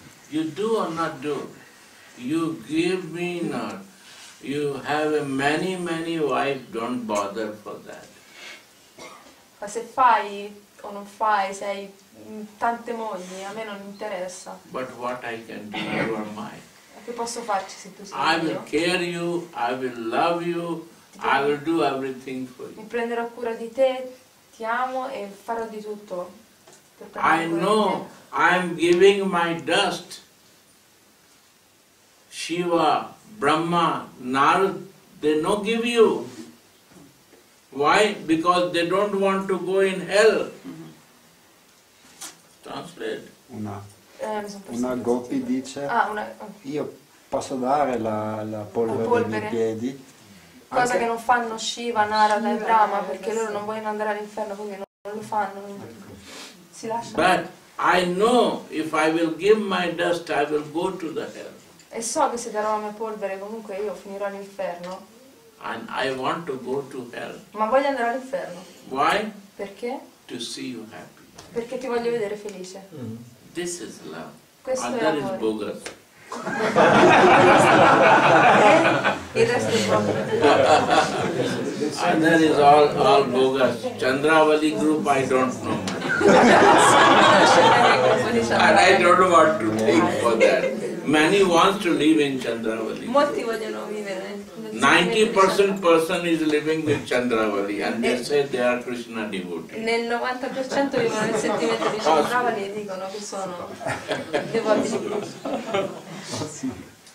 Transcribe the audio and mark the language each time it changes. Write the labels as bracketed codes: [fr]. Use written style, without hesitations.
[en] You do or not do. You give me not. You have a many wife, don't bother for that. [it] Ma se fai o non fai, se hai tante mogli, a me non interessa. [en] But what I can do, you are mine. [it] Che posso farci se tu sei mio? [en] I will care you, I will love you, I will do everything for you. [it] Mi prenderò cura di te, ti amo e farò di tutto. [en] I know, I'm giving my dust. Shiva, Brahma, Narada, they no give you. Why? Because they don't want to go in hell. Translate. [it] Una gopi dice, io posso dare la polvere dei miei piedi. Cosa anche che non fanno Shiva, Narada e Brahma, perché loro non vogliono andare all'inferno, quindi non lo fanno. Si lasciano. [en] But I know if I will give my dust I will go to the hell. [it] E so che se darò la mia polvere comunque io finirò all'inferno. [en] And I want to go to hell. [it] Ma voglio andare all'inferno. [en] Why? [it] Perché? [en] To see you happy. [it] Perché ti voglio vedere felice. Mm. [en] This is love. [it] Questo [en] and [it] è [en] that [it] amore. [en] Is bogus. [it] Il resto è bogus. [en] And that is all bogus. Chandravali group I don't know. And I don't know what to think for that. Many wants to live in Chandravali. [it] Molti vogliono vivere. [en] 90% person is living with Chandravali and they say they are Krishna devotees. [it] Nel 90% vivono nel sentimento di Chandravali e dicono che sono devoti di Krishna.